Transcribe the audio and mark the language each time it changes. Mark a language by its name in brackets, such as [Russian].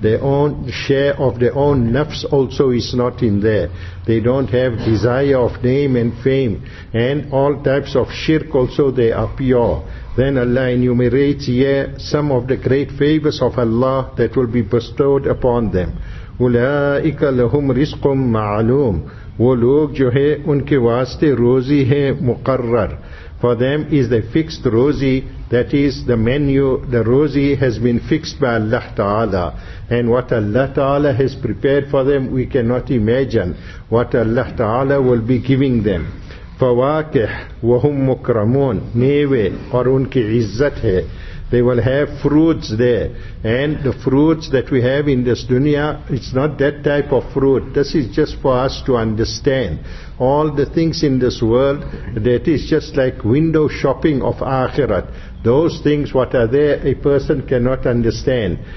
[English] Their own share of their own nafs also is not in there. They don't have desire of name and fame, and all types of shirk also they are pure. Then Allah enumerates here some of the great favors of Allah that will be bestowed upon them. [Arabic] أُولَٰئِكَ لَهُمْ رِزْقٌ مَعْلُومٌ. [Urdu] وہ لوگ جو ہے ان کے واسطے روزی ہے مقرر. [English] For them is the fixed rozi, that is the menu, the rozi has been fixed by Allah Ta'ala. And what Allah Ta'ala has prepared for them, we cannot imagine what Allah Ta'ala will be giving them. [Arabic] فواكح وهم مكرمون, [Urdu] نیوے اور ان کی عزت ہے. [English] They will have fruits there. And the fruits that we have in this dunya, it's not that type of fruit. This is just for us to understand. All the things in this world, that is just like window shopping of akhirat. Those things what are there, a person cannot understand.